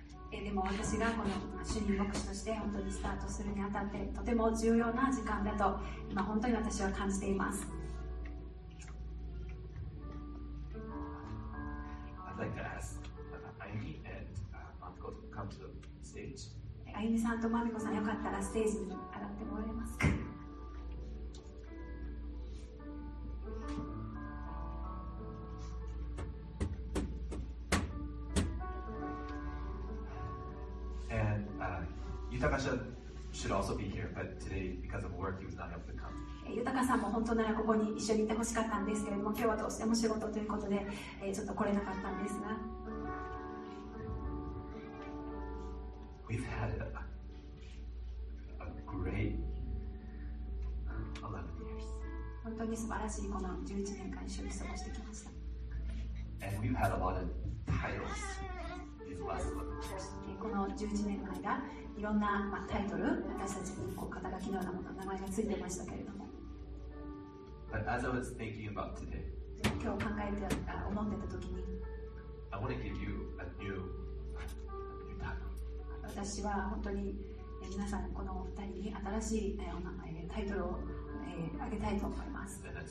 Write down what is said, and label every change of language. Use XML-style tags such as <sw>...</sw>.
<ja>でも私がこの主任牧師として本当にスタートするにあたってとても重要な時間だと今本当に私は感じています。</ja> <en>I'd like to ask Aimi and Mamiko to come to the stage.</en> <ja>Aimi さんと Mamiko さん、よかったらステージに上がってもらえますか。</ja> <en>Yutaka should also be here, but today because of work, he was not able to come.</en> <ja>Yutaka さんも本当ならここに一緒にいてほしかったんですけれども、今日はどうしても仕事ということで、ちょっと来れなかったんですが。</ja> <en>We've had a great 11 years.</en> <ja>本当に素晴らしいこの11年間一緒に過ごしてきました。</ja> <en>And we've had a lot of titles. These</en> <ja>この11年間がいろんな、まあ、タイトル、私たちの肩書きのようなもの、名前がついてましたけれども。</ja> <en>But as I was thinking about today,</en> <ja>今日考えて思ってた時に、</ja> <en>I want to give you a new title.</en> <ja>私は本当に皆さん、この2人に新しいお名前タイトルをあげたいと思います。</ja>